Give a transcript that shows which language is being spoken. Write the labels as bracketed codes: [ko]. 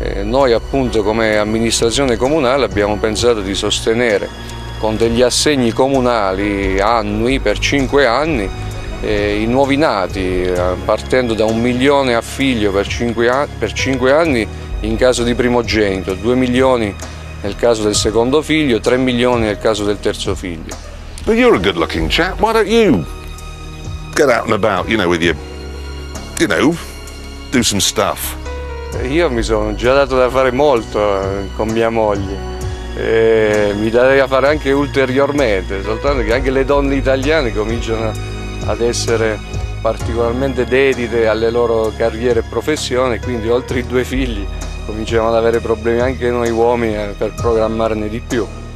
[it] Noi appunto come amministrazione comunale abbiamo pensato di sostenere con degli assegni comunali annui per 5 anni i nuovi nati, partendo da 1 milione a figlio per 5 anni in caso di primogenito, 2 milioni nel caso del secondo figlio, 3 milioni nel caso del terzo figlio. [en] But you're a good looking chap, why don't you get out and about, you know, with your... You know, do some stuff. [it] Io mi sono già dato da fare molto con mia moglie. E mi darei a fare anche ulteriormente, soltanto che anche le donne italiane cominciano ad essere particolarmente dedite alle loro carriere e professione, quindi oltre i 2 figli cominciamo ad avere problemi anche noi uomini per programmarne di più.